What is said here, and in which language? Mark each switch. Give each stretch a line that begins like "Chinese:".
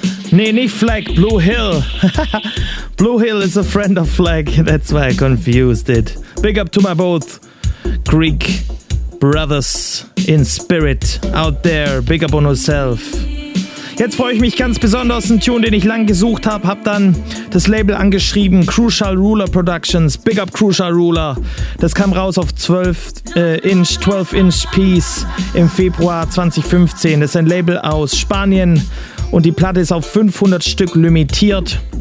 German: Nee, nicht Flag, Blue Hill.
English: Blue Hill is a friend of Flag. That's why I confused it. Big up to my both Greek brothers in spirit out there. Big up on yourself.
German: Jetzt freue ich mich ganz besonders. Ein Tune, den ich lang gesucht habe. Hab dann das Label angeschrieben. Crucial Ruler Productions.
English: Big up
German: Crucial Ruler. Das kam raus auf 12-inch Piece im Februar 2015. Das ist ein Label aus Spanien. Und die Platte ist auf 500 Stück limitiert.